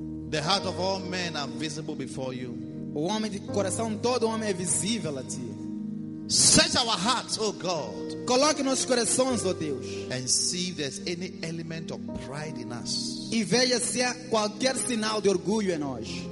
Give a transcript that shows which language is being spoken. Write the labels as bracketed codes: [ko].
[en] The heart of all men are visible before you. [pt] O homem de coração, todo homem é visível a ti. [en] Search our hearts, oh God. [pt] Coloque nossos corações, oh Deus. [en] And see if there's any element of pride in us. [pt] E veja se há qualquer sinal de orgulho em nós.